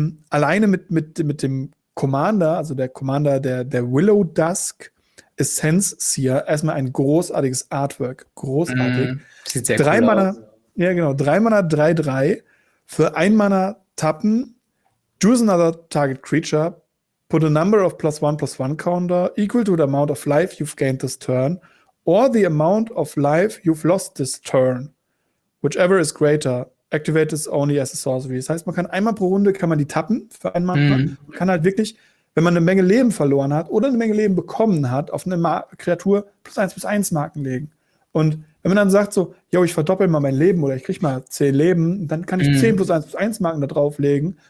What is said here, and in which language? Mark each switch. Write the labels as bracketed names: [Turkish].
[German] Alleine mit dem Commander, also der Commander der Willow Dusk Essence Seer, erstmal ein großartiges Artwork. Großartig. Sieht sehr drei cool Mana, aus. Ja, genau. 3 Mana 3/3 für ein Mana tappen. [English] Choose another target creature. Put a number of +1/+1 counter equal to the amount of life you've gained this turn or the amount of life you've lost this turn. Whichever is greater. Activate this only as a sorcery. [German] Das heißt, man kann einmal pro Runde kann man die tappen für ein Mana. Man kann halt wirklich, wenn man eine Menge Leben verloren hat oder eine Menge Leben bekommen hat, auf eine Kreatur +1/+1 Marken legen. Und wenn man dann sagt so, yo, ich verdoppel mal mein Leben oder ich krieg mal 10 Leben, dann kann ich 10 +1/+1 Marken da drauf legen.